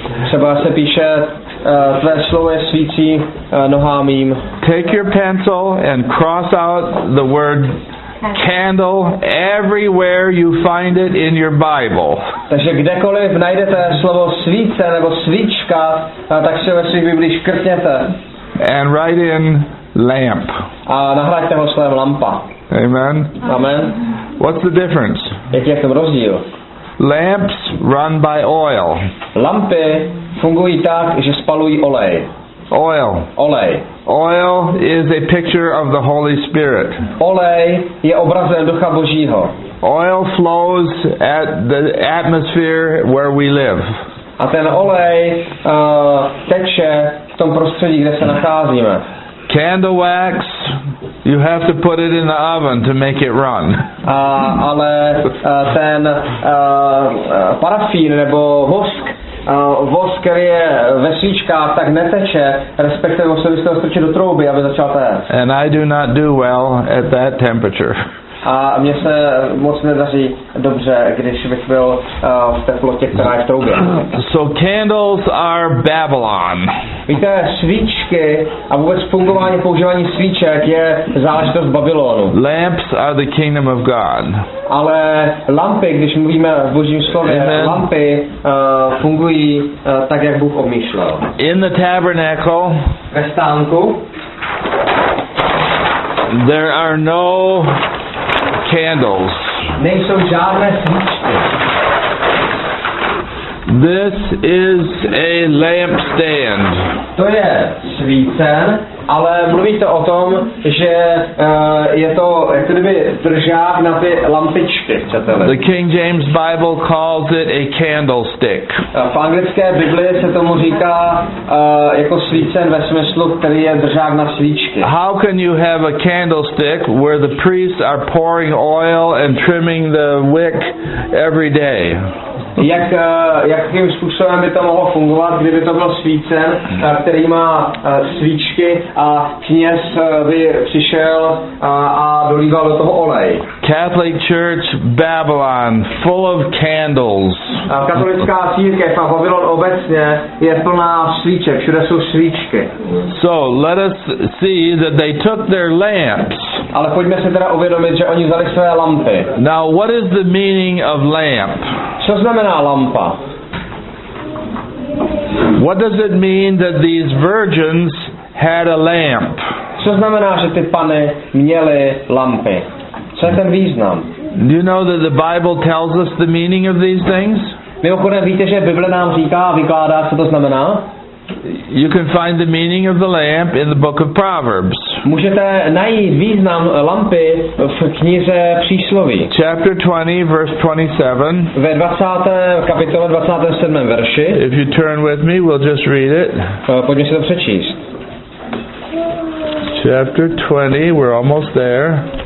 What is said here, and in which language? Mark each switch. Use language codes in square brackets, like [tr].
[cs] Třeba se píše tvé slovo je svící nohám mým. [en] Take your pencil and cross out the word candle everywhere you find it in your Bible. [cs] Takže kdekoliv najdete slovo svíce nebo svíčka, tak se ve svých Biblích škrtněte. [en] And write in lamp. [cs] A nahraďte ho slovem lampa. Amen. Amen. [en] What's the difference? [cs] Jaký je ten rozdíl? [en] Lamps run by oil. [cs] Lampy fungují tak, že spalují olej. [en] Oil. [cs] Olej. [en] Oil is a picture of the Holy Spirit. [cs] Olej je obrazem Ducha Božího. [en] Oil flows at the atmosphere where we live. [cs] A ten olej teče v tom prostředí, kde se nacházíme. [en] Candle wax You have to put it in the oven to make it run. [cs] Ale ten parafín nebo vosk, vosk, který je ve svíčkách, tak neteče, respektive musel byste ho strčit do trouby, aby začal téct. [en] And I do not do well at that temperature. [cs] A mně se moc nedaří dobře, když bych byl v teplotě, která je v troubě. [en] So candles are Babylon. [cs] Víte, svíčky a vůbec fungování, používání svíček je záležitost Babylonu. [en] Lamps are the kingdom of God. [cs] Ale lampy, když mluvíme v Božím slově, lampy fungují tak, jak Bůh obmýšlel. [en] In the tabernacle. [cs] Ve stánku. [en] There are no candles. [cs] Nejsou žádné svíčky. [en] This is a lampstand. [cs] To je svícen, ale mluvíte o tom, že je to jak kdyby držák na ty lampičky, chcete-li. [en] The King James Bible calls it a candlestick. [cs] V anglické Bibli se tomu říká jako svícen ve smyslu, který je držák na svíčky. [en] How can you have a candlestick where the priests are pouring oil and trimming the wick every day? [cs] Jakým způsobem by to mohlo fungovat, kdyby to byl svícen, který má svíčky a kněz by přišel a dolíval do toho olej. [en] Catholic Church Babylon, full of candles. [cs] Katolická církev a Babylon obecně je plná svíček, všude jsou svíčky. [en] So, let us see that they took their lamps. [cs] Ale pojďme se teda uvědomit, že oni vzali své lampy. [en] Now, what is the meaning of lamp? [cs] Co znamená lampa? [en] What does it mean that these virgins had a lamp? [cs] Co znamená, že ty pany měly lampy? Co je ten význam? [en] Do you know that the Bible tells us the meaning of these things? [cs] Mimochodem víte, že Bible nám říká a vykládá, co to znamená? [en] You can find the meaning of the lamp in the book of Proverbs. [cs] Můžete najít význam lampy v knize Přísloví. [en] Chapter 20, verse 27. [cs] Ve 20. kapitole 27. verši. [en] If you turn with me, we'll just read it. [cs] Pojďme si to přečíst. [en] Chapter 20, we're almost there.